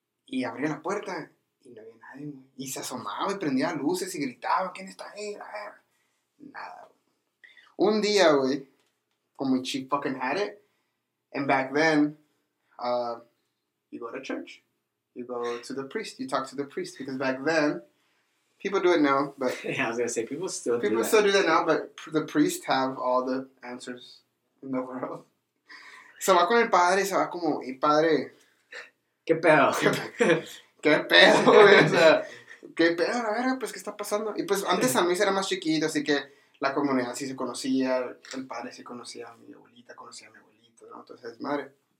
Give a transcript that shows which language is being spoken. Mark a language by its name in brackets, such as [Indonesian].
[Spanish] Y abría la puerta y no había nadie. Y se asomaba y prendía luces y gritaba, ¿quién está ahí? Nada, güey. Un día, güey, como [English] she fucking had it, and back then, you go to church, you go to the priest, you talk to the priest, because back then, people do it now, but... Yeah, I was going to say, people still do that now, but the priest have all the answers in the world. [Spanish] Se va con el padre, se va como, y padre... ¿Qué pedo? ¿Qué pedo, güey? O sea, ¿qué pedo? A ver, pues, ¿qué está pasando? Y pues, antes a mí era más chiquito, así que... La comunidad sí se conocía, el padre sí conocía a mi abuelita, conocía a mi abuelito, ¿no? Entonces, madre.